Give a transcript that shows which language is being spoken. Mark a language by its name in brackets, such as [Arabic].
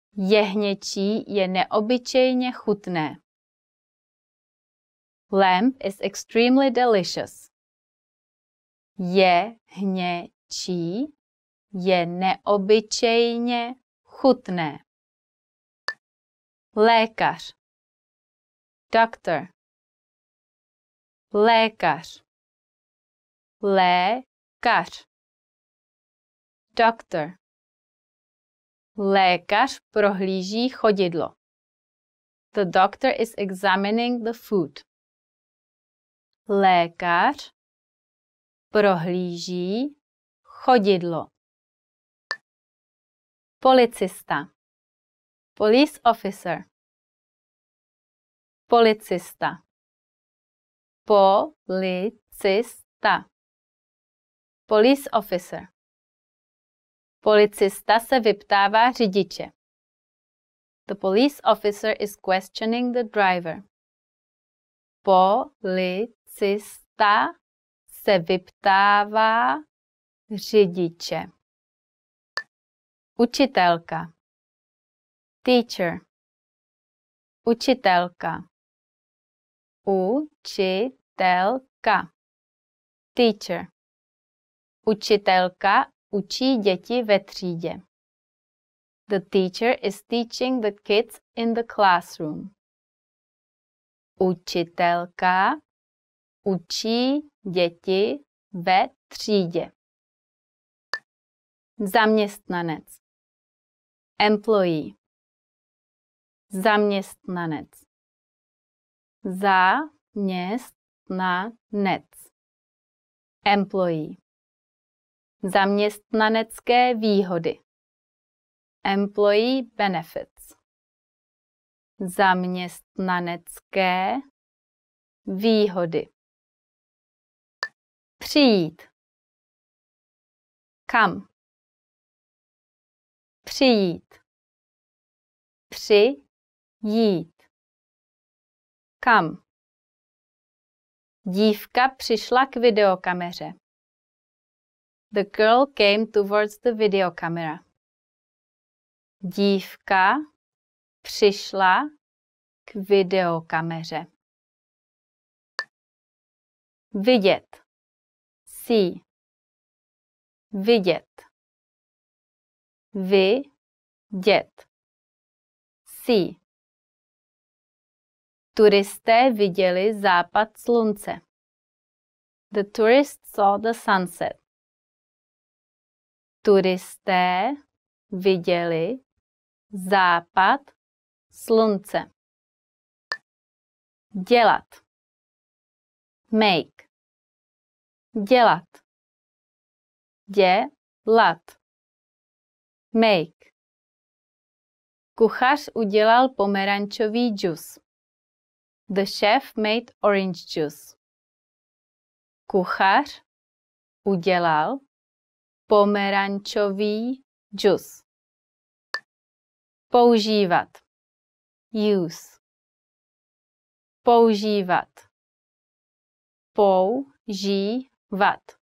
[Czech] Jehněčí je neobyčejně chutné. [English] Lamb is extremely delicious. [Czech] Jehněčí je neobyčejně chutné. Lékař. [English] Doctor. [Czech] Lékař. Lékař. [English] Doctor. [Czech] Lékař prohlíží chodidlo. [English] The doctor is examining the food. [Czech] Lékař prohlíží chodidlo. Policista. [English] Police officer. [Czech] Policista. Policista. Policista. [English] Police officer. [Czech] Policista se vyptává řidiče. [English] The police officer is questioning the driver. [Czech] Policista se vyptává řidiče. Učitelka. [English] Teacher. [Czech] Učitelka. Učitelka. [English] Teacher. [Czech] Učitelka učí děti ve třídě. [English] The teacher is teaching the kids in the classroom. [Czech] Učitelka učí děti ve třídě. Zaměstnanec. [English] Employee. [Czech] Zaměstnanec. Zaměstnanec. [English] Employee. [Czech] Zaměstnanecké výhody. [English] Employee benefits. [Czech] Zaměstnanecké výhody. Přijít. [English] Come. [Czech] Přijít. Přijít. [English] Come. [Czech] Dívka přišla k videokameře. [English] The girl came towards the video camera. [Czech] Dívka přišla k videokameře. Vidět. [English] See. [Czech] Vidět. Vidět. [English] See. [Czech] Turisté viděli západ slunce. [English] The tourist saw the sunset. [Czech] Turisté viděli západ slunce. Dělat. [English] Make. [Czech] Dělat. Dělat. [English] Make. [Czech] Kuchař udělal pomerančový džus. [English] The chef made orange juice. [Czech] Kuchař udělal pomerančový džus. Používat. [English] Use. [Czech] Používat. Používat.